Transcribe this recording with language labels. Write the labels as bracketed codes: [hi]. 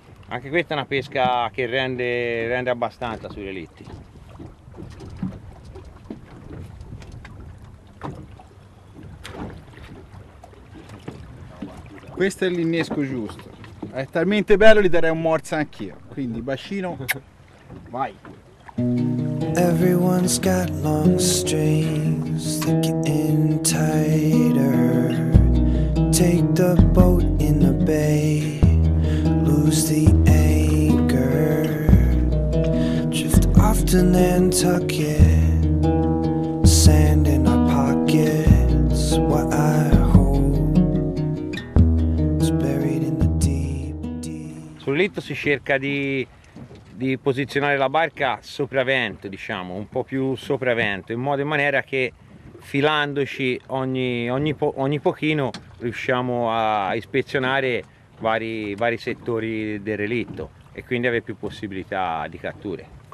[it] Anche questa è una pesca che rende abbastanza sui relitti. Questo è l'innesco giusto, è talmente bello, gli darei un morso anch'io, quindi bacino. [en] Everyone's got long strings, thick and tighter. Take the boat in the bay, lose the anchor. Drift off to Nantucket, sand in our pockets. What I hold is buried in the deep, deep. [it] Sul litto si cerca di posizionare la barca sopravento, diciamo, un po' più sopravento, in modo e maniera che filandoci ogni pochino riusciamo a ispezionare vari settori del relitto e quindi avere più possibilità di catture.